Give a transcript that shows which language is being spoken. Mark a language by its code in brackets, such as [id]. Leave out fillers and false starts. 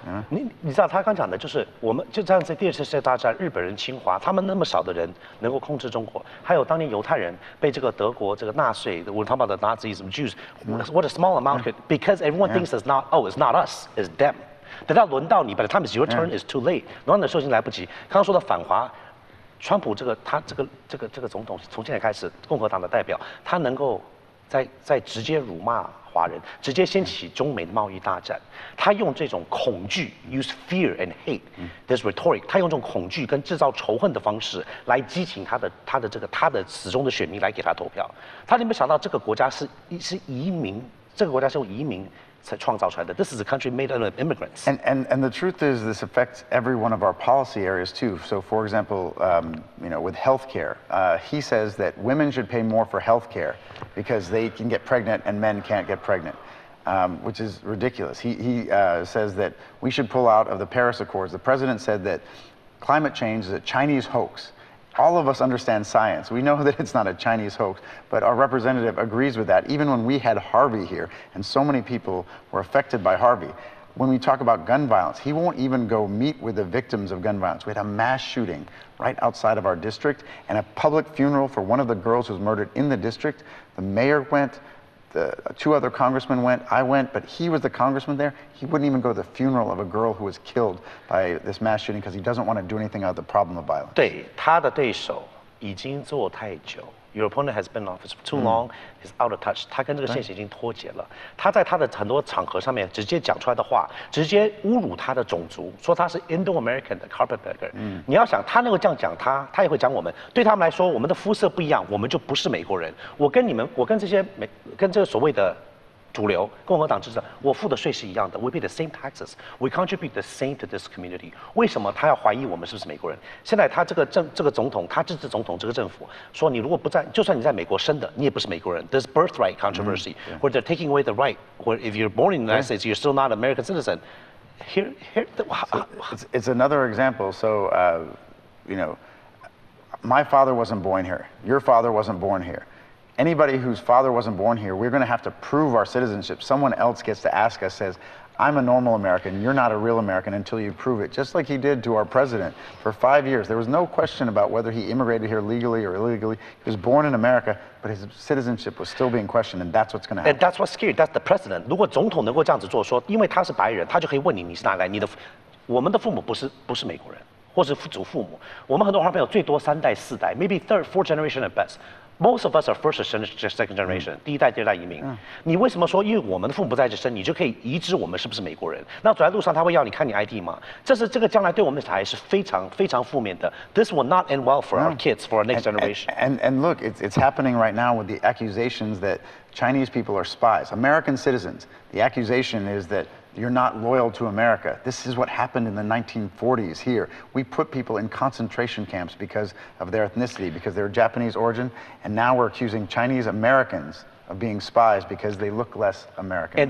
[zh] You know? 你知道他刚讲的就是我们就这样在第二次世界大战，日本人侵华，他们那么少的人能够控制中国，还有当年犹太人被这个德国这个纳粹 ， [en] we're talking about the Nazis, the Jews. What a small amount could, because everyone thinks it's not us, it's them. [zh] 等到轮到你 [en] ，by the time it's your turn, it's too late。 [zh] 同样的事情来不及。刚刚说的反华，川普这个总统，从现在开始，共和党的代表，他能够在直接辱骂华人，直接掀起中美的贸易大战。他用这种恐惧 [en] ，use fear and hate, this rhetoric。 [zh] 他用这种恐惧跟制造仇恨的方式来激起他的死忠的选民来给他投票。他有没有想到这个国家是移民？这个国家是用移民。 [en] This is a country made out of immigrants. And the truth is, this affects every one of our policy areas too. So, for example, with healthcare, he says that women should pay more for healthcare because they can get pregnant and men can't get pregnant. which is ridiculous. He says that we should pull out of the Paris Accords. The president said that climate change is a Chinese hoax. All of us understand science. We know that it's not a Chinese hoax, but our representative agrees with that. Even when we had Harvey here, and so many people were affected by Harvey, when we talk about gun violence, he won't even go meet with the victims of gun violence. We had a mass shooting right outside of our district and a public funeral for one of the girls who was murdered in the district. The mayor went, the two other congressmen went, I went, but he was the congressman there. He wouldn't even go to the funeral of a girl who was killed by this mass shooting because he doesn't want to do anything about the problem of violence. [zh] 对，他的对手已经做太久。 [en] Your opponent has been in office for too long, he's out of touch. [zh] 他跟这个现实已经脱节了。他在他的很多场合上面直接讲出来的话，直接侮辱他的种族，说他是 Indo-American 的 carpetbagger。你要想，他能够这样讲他，他也会讲我们。对他们来说，我们的肤色不一样，我们就不是美国人。我跟你们，我跟这些跟这个所谓的主流共和党支持者，我付的税是一样的。 [en] We pay the same taxes, we contribute the same to this community. [zh] 为什么他要怀疑我们是不是美国人？现在他这个总统，他支持总统这个政府，说你如果不在，就算你在美国生的，你也不是美国人。 [en] There's birthright controversy, where they're taking away the right, where if you're born in the United States, you're still not an American citizen. It's another example. So, you know, my father wasn't born here. Your father wasn't born here. Anybody whose father wasn't born here, we're going to have to prove our citizenship. Someone else gets to ask us, says, I'm a normal American, you're not a real American until you prove it. Just like he did to our president for 5 years. There was no question about whether he immigrated here legally or illegally. He was born in America, but his citizenship was still being questioned, and that's what's going to happen. And that's what's scary, that's the president. [zh] 如果总统能够这样子做说，因为他是白人，他就可以问你，你是哪来？你的，我们的父母不是美国人，或是祖父母。我们很多华人朋友最多三代四代 ， [en] maybe third, fourth generation at best. Most of us are first generation, second generation, [zh] 第一代、第二代移民。你为什么说因为我们的父母不在这生，你就可以移植我们是不是美国人？那走在路上他会要你看你 ID 吗？这个将来对我们的小孩是非常非常负面的。 [en] This will not end well for our kids, for our next generation. And look, it's happening right now with the accusations that Chinese people are spies, American citizens. The accusation is that. You're not loyal to America. This is what happened in the 1940s here. We put people in concentration camps because of their ethnicity, because they're Japanese origin, and now we're accusing Chinese Americans of being spies because they look less American.